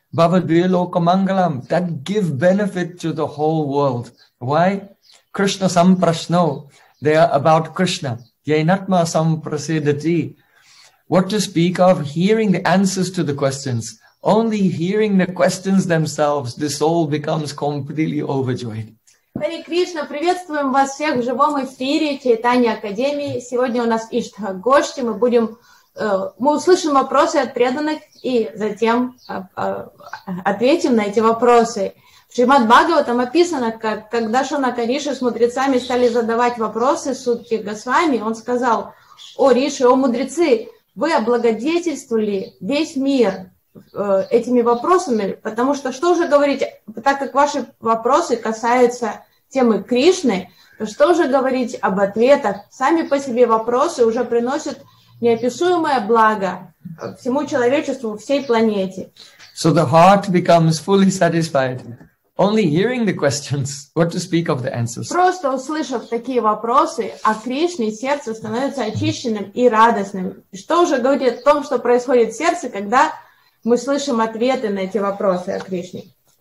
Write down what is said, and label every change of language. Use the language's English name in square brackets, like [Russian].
[Sanskrit] Bhavadviloka Mangalam, [English] that give benefit to the whole world. Why? [Sanskrit] Krishna Samprasno, [English] they are about Krishna. [Sanskrit] Yenatma Samprasidati. [English] What to speak of hearing the answers to the questions? Only hearing the questions themselves, the soul becomes completely overjoyed. [Russian] Hare Krishna, приветствуем вас всех в живом эфире Чайтанья Академии. Сегодня у нас Истагосхи, мы услышим вопросы от преданных и затем ответим на эти вопросы. В Шримад Бхагаватам описано, как когда Шонака Риши с мудрецами стали задавать вопросы Сутхи Госвами, он сказал: «О Риши, о мудрецы, вы облагодетельствовали весь мир этими вопросами, потому что что уже говорить, так как ваши вопросы касаются темы Кришны, то что уже говорить об ответах? Сами по себе вопросы уже приносят неописуемое благо всему человечеству, всей планете». [English] So the heart becomes fully satisfied only hearing the questions, what to speak of the answers. [Russian] Просто услышав такие вопросы о Кришне, сердце становится очищенным и радостным. Что уже говорить о том, что происходит в сердце, когда мы слышим ответы на эти вопросы о Кришне.